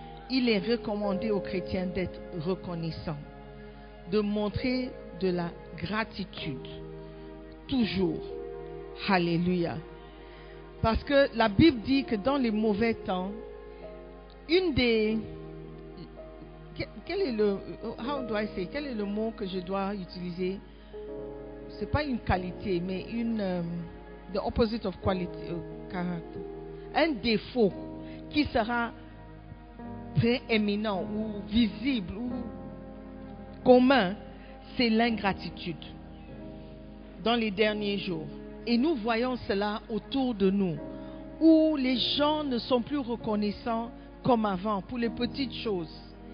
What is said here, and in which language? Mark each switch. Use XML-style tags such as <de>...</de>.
<fr>Il est recommandé aux chrétiens d'être reconnaissants, de montrer de la gratitude, toujours. Alléluia. Parce que la Bible dit que dans les mauvais temps, une des... Quel est le...</fr> <en>How do I say?</en> <fr>Quel est le mot que je dois utiliser? Ce n'est pas une qualité, mais une...</fr> <en>The opposite of quality, character.</en> <fr>Un défaut qui sera prééminent ou visible ou commun, c'est l'ingratitude dans les derniers jours. Et nous voyons cela autour de nous, où les gens ne sont plus reconnaissants comme avant pour les petites choses.</fr>